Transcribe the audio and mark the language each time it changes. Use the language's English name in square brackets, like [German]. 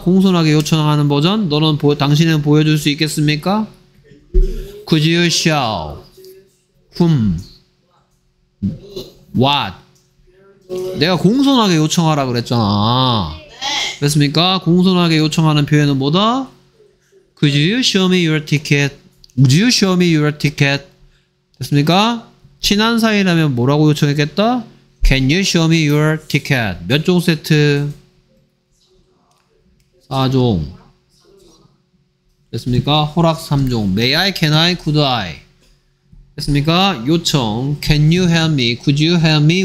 [Korean] 공손하게 요청하는 버전 너는 당신은 보여줄 수 있겠습니까? [English] Could you show whom what [Korean] 내가 공손하게 요청하라 그랬잖아. 됐습니까? 공손하게 요청하는 표현은 뭐다? [English] Could you show me your ticket? Would you show me your ticket? [Korean] 됐습니까? 친한 사이라면 뭐라고 요청했겠다? [English] Can you show me your ticket? [Korean] 몇 종 세트? 4종. 됐습니까? 허락 3종. [English] May I? Can I? Could I? 됐습니까? [Korean] 요청. [English] Can you help me? Could you help me?